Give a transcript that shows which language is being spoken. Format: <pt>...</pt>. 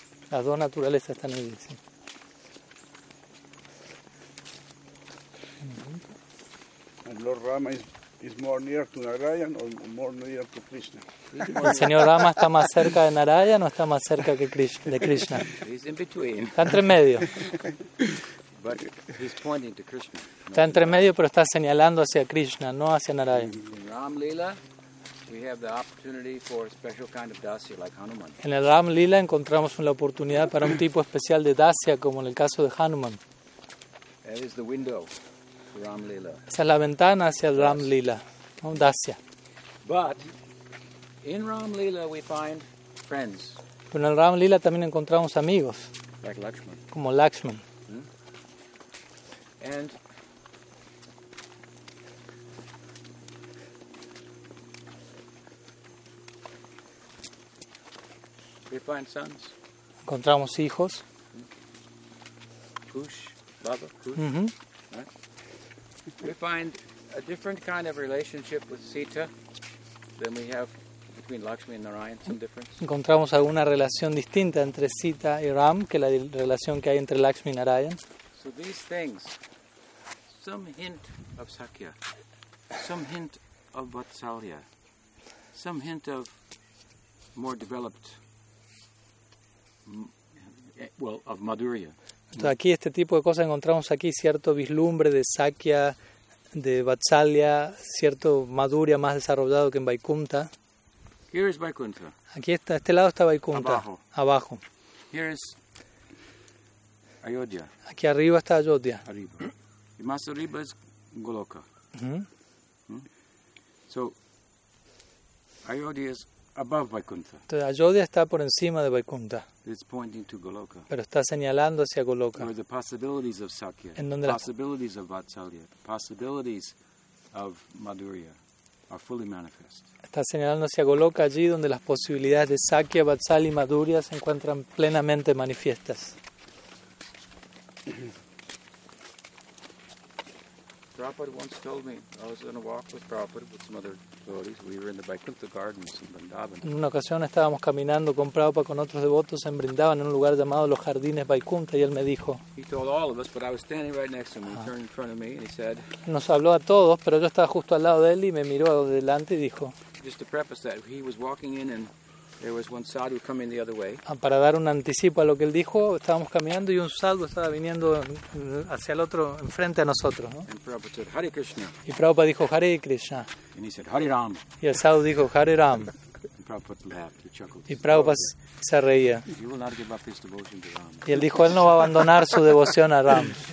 <es>Las dos naturalezas están ahí, sí.</es> <en>And Lord Rama is more near to Narayan or more near to Krishna?</en> <es>¿El señor Rama está más cerca de Narayan o está más cerca que Krishna, de Krishna?</es> <en>He's in between.</en> <es>Está entre medio.</es> <en>But he's pointing to Krishna.</en> <es>Está entre medio, pero está señalando hacia Krishna, no hacia Narayan.</es> <en>Ram Lila. We have the opportunity for a special kind of dasya like Hanuman.</en> <es>En el Ram Lila encontramos una oportunidad para un tipo especial de dasya como en el caso de Hanuman.</es> <en>That is the window for Ram Lila.</en> <es>Esa es la ventana hacia el Ram Lila, un dasya.</es> <en>But in Ram Lila we find friends.</en> <es>Pero en el Ram Lila también encontramos amigos.</es> <en>Like Lakshman.</en> <es>Como Lakshman.</es> <en>Mm-hmm. And we find sons.</en> <es>Encontramos hijos.</es> <en>Kush, Baba Kush. Mm-hmm. Right? We find a different kind of relationship with Sita than we have between Lakshmi and Narayan. Some difference.</en> <es>Encontramos alguna relación distinta entre Sita y Ram que la relación que hay entre Lakshmi y Narayan.</es> <en>So these things, some hint of Sakya, some hint of Vatsalya, some hint of more developed, well, of Madhurya.</en> <es>Entonces aquí este tipo de cosas encontramos aquí cierto vislumbre de Sakya, de Vatsalya, cierto Madhurya más desarrollado que en Vaikuntha.</es> <en>Here is Vaikuntha.</en> <es>Aquí está, este lado está Vaikuntha. Abajo.</es> <en>Here is Ayodhya.</en> <es>Aquí arriba está Ayodhya. Arriba. Y más arriba es Goloka. Mm-hmm.</es> <en>So Ayodhya is above Vaikuntha.</en> <es>Entonces Ayodhya está por encima de Vaikuntha.</es> <en>It's pointing to Goloka.</en> <es>Pero está señalando hacia Goloka.</es> <en>Where the possibilities of Sakya, possibilities of Vatsalya, possibilities of Madhurya are fully manifest.</en> <es>Está señalando hacia Goloka, allí donde las posibilidades de Sakya, Vatsalya y Madhurya se encuentran plenamente manifiestas.</es> <en>Prabhupada once told me, I was on a walk with Prabhupada with some other devotees. We were in the Vaikuntha Gardens in Vrindavan.</en> <es>En una ocasión estábamos caminando con Prabhupada con otros devotos en Vrindavan en un lugar llamado Los Jardines Vaikuntha y él me dijo.</es> <en>He told all of us, but I was standing right next to him. He turned in front of me and he said.</en> <es>Nos habló a todos, pero yo estaba justo al lado de él y me miró adelante y dijo.</es> <en>Just to preface that, he was walking in and there was one sadhu coming the other way.</en> <es>Para dar un anticipo a lo que él dijo, estábamos caminando y un sadhu estaba viniendo hacia el otro, enfrente a nosotros. ¿No?</es> <en>And Prabhupada said, Hare Krishna.</en> <es>Y Prabhupada dijo, Hare Krishna.</es> <en>And he said, Hare Ram.</en> <es>Y el sadhu dijo, Hare Ram.</es> <en>And Prabhupada laughed, he chuckled.</en> <es>Y Prabhupada se reía.</es> <en>He will not give up his devotion to Ram.</en> <es>Y él dijo, él no va a abandonar su devoción a Ram.</es>